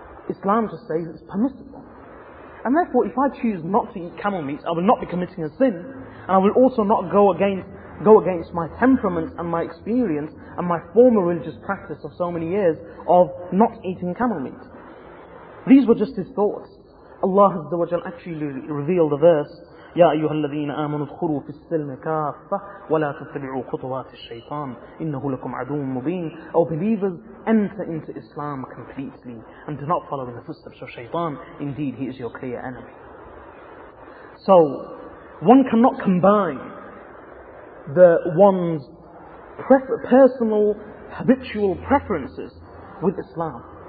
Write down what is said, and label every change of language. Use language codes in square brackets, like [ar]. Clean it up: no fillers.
[en] Islam just says it's permissible. And therefore, if I choose not to eat camel meat, I will not be committing a sin, and I will also not go against my temperament and my experience and my former religious practice of so many years of not eating camel meat. These were just his thoughts. Allah Azza wa Jalla actually revealed the verse, [ar] يَا أَيُّهَا الَّذِينَ آمَنُوا ادْخُلُوا فِي السِّلْمِ كَافَّةً وَلَا تَتَّبِعُوا خُطُوَاتِ الشَّيْطَانِ إِنَّهُ لَكُمْ عَدُوٌّ مُبِينٌ. [en] O believers, enter into Islam completely and do not follow in the footsteps of Shaytan. Indeed, he is your clear enemy. So, one cannot combine the one's personal, habitual preferences with Islam.